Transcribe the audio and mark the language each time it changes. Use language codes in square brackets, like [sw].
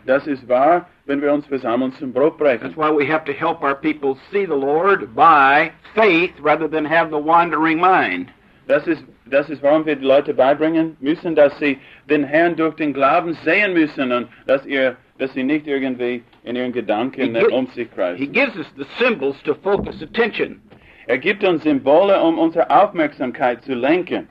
[de] Das ist wahr, wenn wir uns versammeln zum Brotbrechen. [en] That's why we have to help our people see the Lord by faith rather than have the wandering mind. [de] Das ist, warum wir die Leute beibringen müssen, dass sie den Herrn durch den Glauben sehen müssen und dass sie nicht irgendwie in ihren Gedanken um sich kreisen. [en] He gives us the symbols to focus attention. [de] Er gibt uns Symbole, um unsere Aufmerksamkeit zu lenken.